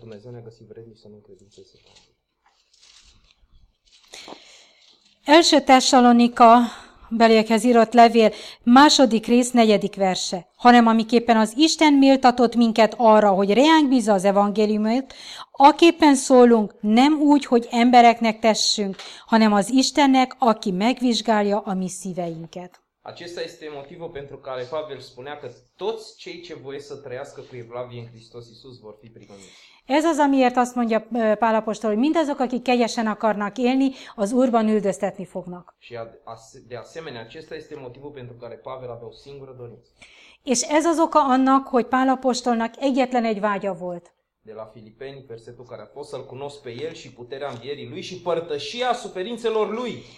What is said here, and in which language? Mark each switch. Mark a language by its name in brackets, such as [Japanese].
[Romanian] Dumnezeu ne-a găsit vrednici să ne încredințeze. 1 Tesalonica. [Hungarian] Beliekhez írott levél, második rész, negyedik verse. Hanem amiképpen az Isten méltatott minket arra, hogy reánk bízza az evangéliumot, aképpen szólunk, nem úgy, hogy embereknek tessünk, hanem az Istennek, aki megvizsgálja a mi szíveinket. [Romanian] Acesta este motivul pentru care Pavel spunea că toți cei ce voiesc să trăiască cu evlavie în Hristos Iisus vor fi prigoniți. [Hungarian] Ez az, amiért azt mondja Pál apostol, hogy mindazok, akik kegyesen akarnak élni, az Úrban üldöztetni fognak. [Romanian] Și de asemenea, acesta este motivul pentru care Pavel avea o singură dorință. [Hungarian] És ez az oka annak, hogy Pál apostolnak egyetlen egy vágya volt. [Romanian] de la Filipeni, versetul care a fost să-l cunosc pe el și puterea învierii lui și părtășia suferințelor lui.